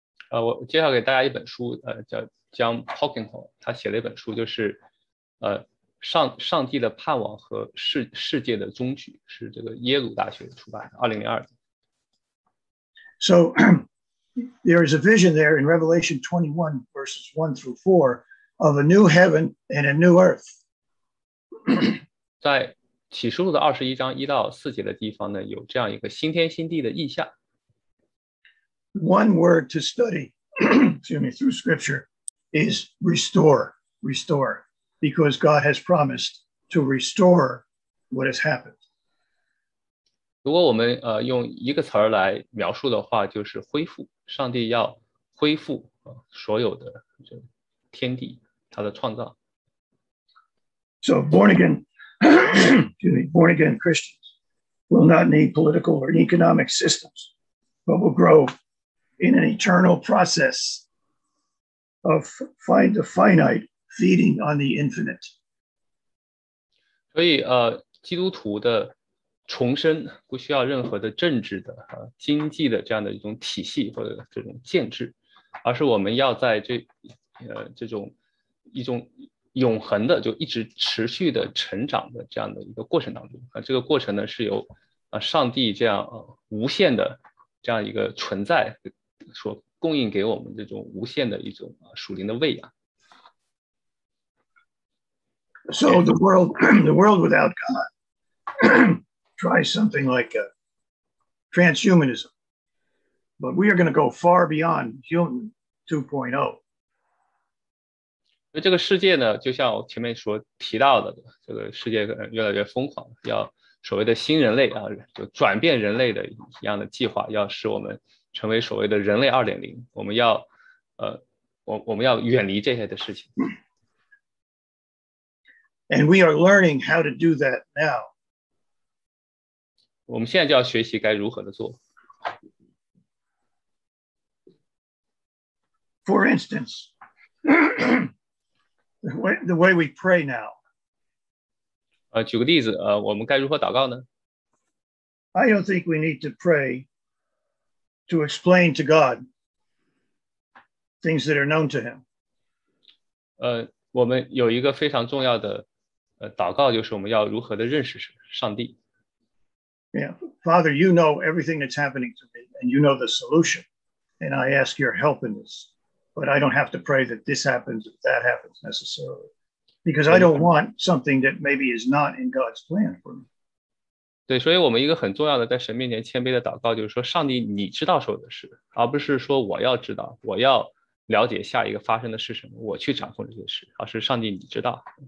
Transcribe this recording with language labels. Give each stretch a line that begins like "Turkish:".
Chinese: 我介绍给大家一本书叫 John Polkinghorne, 他写了一本书就是上帝的盼望和世界的终局是这个耶鲁大学出版的2002年。
English: So there is a vision there in Revelation 21 verses 1 through 4,of a new heaven and a new earth.
Chinese: 在启示录的21章1到4节的地方呢，有这样一个新天新地的意象。
English: One word to study, excuse me, through scripture is restore, because God has promised to restore what has happened.
Chinese: 如果我们用一个词儿来描述的话，就是恢复，上帝要恢复所有的这天地。
English: So born again, excuse me, born again Christians will not need political or economic systems, but will grow in an eternal process of find the finite feeding on the infinite.
Chinese: 所以基督徒的重生不需要任何的政治的经济的这样的一种体系或者这种建制，而是我们要在这种一种永恒的就一直持续的成长的这样的一个过程当中这个过程呢是由上帝这样无限的这样一个存在所供应给我们这种无限的一种属灵的喂养。
English: So the world without God tries something like a transhumanism, but we are going to go far beyond human 2.0.
Chinese: 这个世界呢，就像我前面所提到的，这个世界越来越疯狂，要所谓的新人类啊，就转变人类的一样的计划，要使我们成为所谓的人类 2.0， 我们要我们要远离这些的事情。
English: And we are learning how to do that now.
Chinese: 我们现在就要学习该如何的做。
English: For instance. The way we pray now.
Chinese: 举个例子，我们该如何祷告呢？
English: I don't think we need to pray to explain to God things that are known to him.
Chinese: 我们有一个非常重要的祷告，就是我们要如何的认识上帝。
English: Yeah, Father, you know everything that's happening to me, and you know the solution, and I ask your help in this. But I don't have to pray that this happens or that happens necessarily, because I don't want something that maybe is not in God's plan for me.
Chinese: 对，所以我们一个很重要的在神面前谦卑的祷告，就是说，上帝，你知道所有的事，而不是说我要知道，我要了解下一个发生的是什么，我去掌控这些事，而是上帝，你知道。